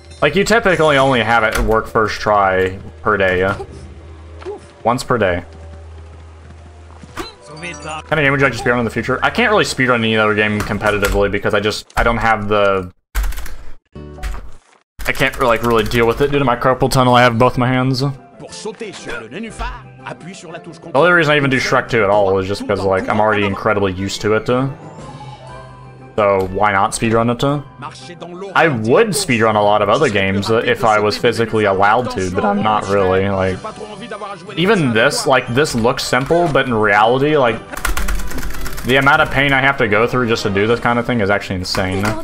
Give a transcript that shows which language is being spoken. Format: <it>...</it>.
<en>Like, you typically only have it work first try per day, yeah? Once per day. What kind of game would you like to speedrun in the future? I can't really speedrun any other game competitively because I don't have the... I can't like really deal with it due to my carpal tunnel. I have both my hands.</en> <fr>Pour sauter sur le nénuphar, appuie sur la touche</fr> <en>contrôle. The only reason I even do Shrek 2 at all is just because like I'm already incredibly used to it. So why not speedrun it? I would speedrun a lot of other games if I was physically allowed to, but I'm not really. Like even this, like this looks simple, but in reality, like the amount of pain I have to go through just to do this kind of thing is actually insane.</en>